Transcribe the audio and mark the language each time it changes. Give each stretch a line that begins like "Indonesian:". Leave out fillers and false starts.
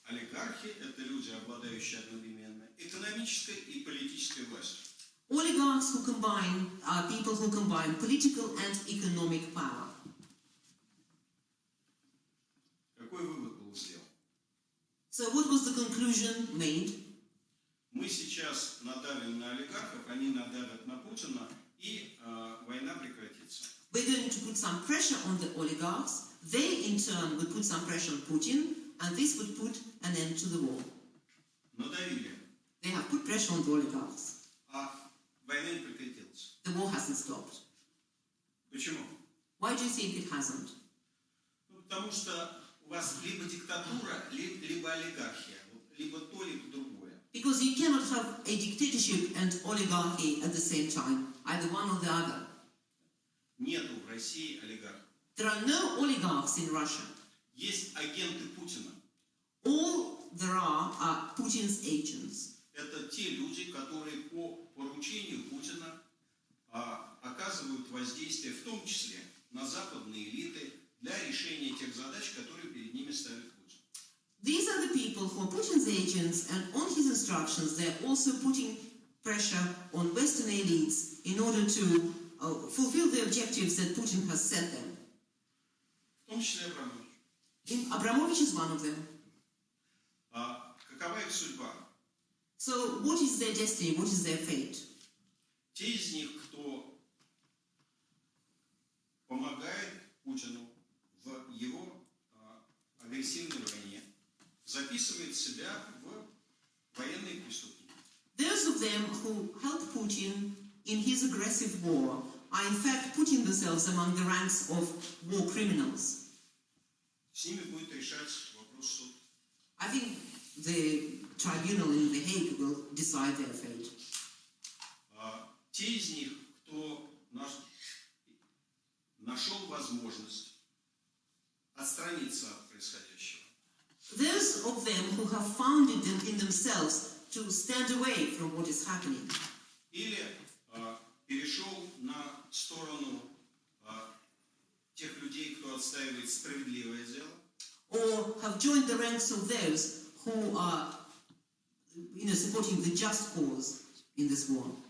Russian: Олигархи – это люди, обладающие одновременно экономической и политической властью.
English: Oligarchs who combine are people who combine political and economic power.
Russian: Какой вывод был сделан?
English: So what was the conclusion made?
Russian: Мы сейчас надавим на олигархов, они надавят на Путина, и война прекратится.
English: We're going to put some pressure on the oligarchs. They, in turn, will put some pressure on Putin, and this would put an end to the war.
Russian: Надавили.
English: They have put pressure on the oligarchs.
Russian: Война не прекратилась.
English: The war hasn't stopped.
Russian: Почему?
English: Why do you think it hasn't?
Russian: Ну, потому что у вас либо диктатура, либо олигархия. Либо то, либо другое.
English: Because you cannot have a dictatorship and oligarchy at the same time. Either one or the other.
Russian: Нету в России олигархов.
English: There are no oligarchs in Russia.
Russian: Есть агенты Путина.
English: All there are Putin's agents.
Russian: Это те люди, которые по поручению Путина оказывают воздействие, в том числе, на западные элиты для решения тех задач, которые перед ними ставит Путин.
English: These are the people who are Putin's agents, and on his instructions they're also putting pressure on Western elites in order to fulfill the objectives that Putin has set them.
Russian: В том числе Абрамович.
English: Абрамович is one of them.
Russian: Какова их судьба?
English: So, what is their destiny? What is their fate?
Russian: Те из них, кто помогает Путину в его агрессивной войне, записывает себя в военные преступники.
English: Those of them who help Putin in his aggressive war are in fact putting themselves among the ranks of war criminals.
Russian: С ними будет решаться вопрос суд.
English: I think the tribunal in The Hague will decide their fate.
Russian: Те из них, кто нашел возможность отстраниться от происходящего.
English: Those of them who have found it in themselves to stand away from what is happening.
Russian: Или перешел на сторону тех людей, кто отстаивает справедливое дело.
English: Or have joined the ranks of those who are supporting the just cause in this war.